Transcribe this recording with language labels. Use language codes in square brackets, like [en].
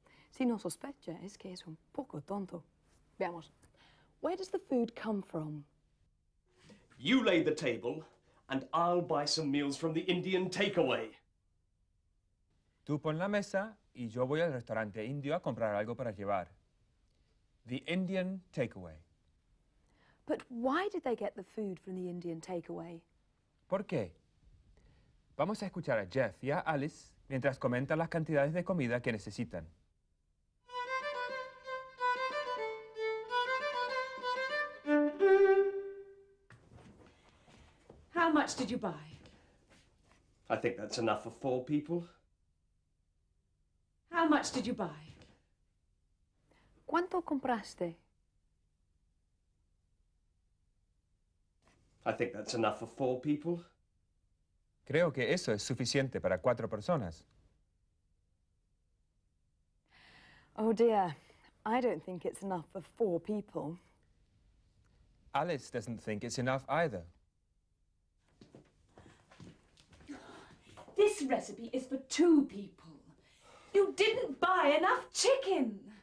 [es] Si no sospecha, es que es un poco tonto. Veamos. [en] Where does the food come from? You lay the table, and I'll buy some meals from the Indian takeaway. [es] Tú pon la mesa y yo voy al restaurante indio a comprar algo para llevar. [en] The Indian takeaway. But why did they get the food from the Indian takeaway? [es] ¿Por qué? Vamos a escuchar a Jeff y a Alice mientras comentan las cantidades de comida que necesitan. [en] How much did you buy? I think that's enough for four people. How much did you buy? [es] ¿Cuánto compraste? [en] I think that's enough for four people. [es] Creo que eso es suficiente para cuatro personas. [en] Oh dear, I don't think it's enough for four people. Alice doesn't think it's enough either. This recipe is for two people. You didn't buy enough chicken.